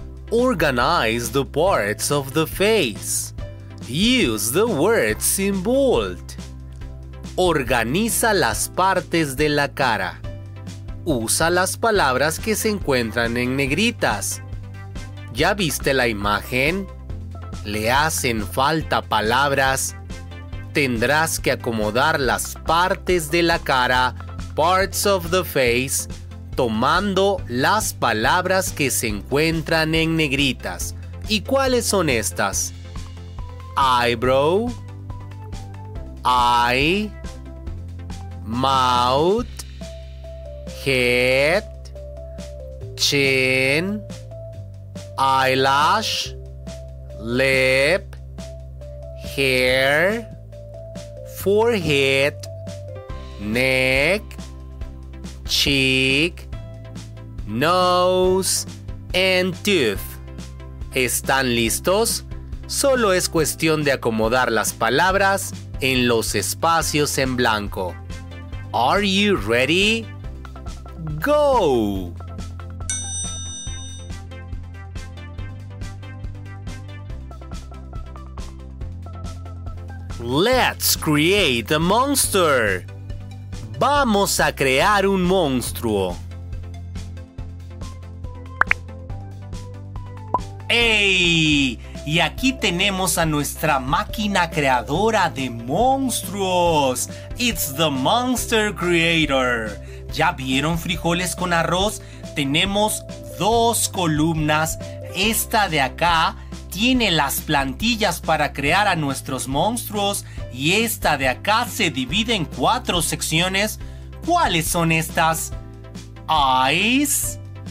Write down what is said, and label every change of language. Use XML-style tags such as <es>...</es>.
<en>Organize the parts of the face. Use the words in bold.</en> <es>Organiza las partes de la cara. Usa las palabras que se encuentran en negritas. ¿Ya viste la imagen? ¿Le hacen falta palabras? Tendrás que acomodar las partes de la cara,</es> <en>parts of the face,</en> <es>tomando las palabras que se encuentran en negritas. ¿Y cuáles son estas?</es> <en>Eyebrow, eye, mouth, head, chin, eyelash, lip, hair, forehead, neck, cheek, nose, and tooth.</en> <es>¿Están listos? Solo es cuestión de acomodar las palabras en los espacios en blanco.</es> <en>Are you ready? Go! Let's create a monster.</en> <es>Vamos a crear un monstruo. ¡Ey! Y aquí tenemos a nuestra máquina creadora de monstruos.</es> <en>It's the Monster Creator.</en> <es>¿Ya vieron frijoles con arroz? Tenemos dos columnas. Esta de acá tiene las plantillas para crear a nuestros monstruos. Y esta de acá se divide en cuatro secciones. ¿Cuáles son estas? Eyes.</es>